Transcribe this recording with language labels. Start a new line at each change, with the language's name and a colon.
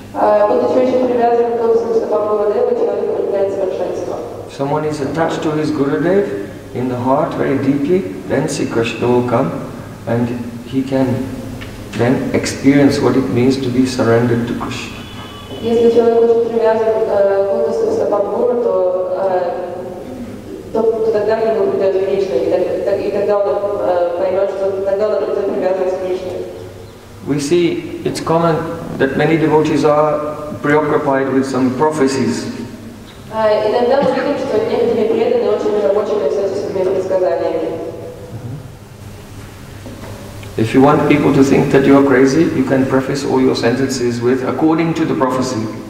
English: If someone is attached to his Gurudev in the heart very deeply, then Sri Krishna will come and he can then experience what it means to be surrendered to Krishna.
Russian: Если человек очень привязан к лотосу стопам Гуру, то тогда к нему придет Кришна, и тогда он поймет, что тогда он придет привязанность к Кришне.
English: We see it's common that many devotees are preoccupied with some prophecies.
Russian: Иногда мы видим, что некоторые преданные очень озабочены всеми предсказаниями.
English: If you want people to think that you are crazy, you can preface all your sentences with according to the prophecy.